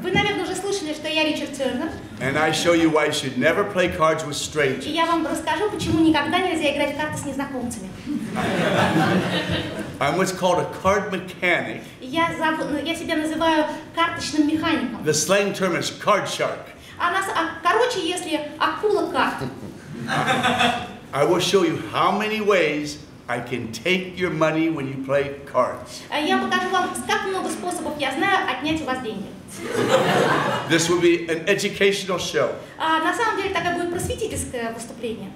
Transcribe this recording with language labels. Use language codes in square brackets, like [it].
[ru] Вы, наверное, уже слышали, что я Ричард Тернер. [en] And I show you why you should never play cards with strangers. [ru] И я вам расскажу, почему никогда нельзя играть в карты с незнакомцами. [en] I'm what's called a card mechanic. [ru] Я себя называю карточным механиком. [en] The slang term is card shark. [ru] Короче, если акула карт. [en] I will show you how many ways I can take your money when you play cards. [ru] Я покажу вам, как много способов я знаю отнять у вас деньги. [en] This will be an educational show. [ru] На самом деле, такое будет просветительское выступление.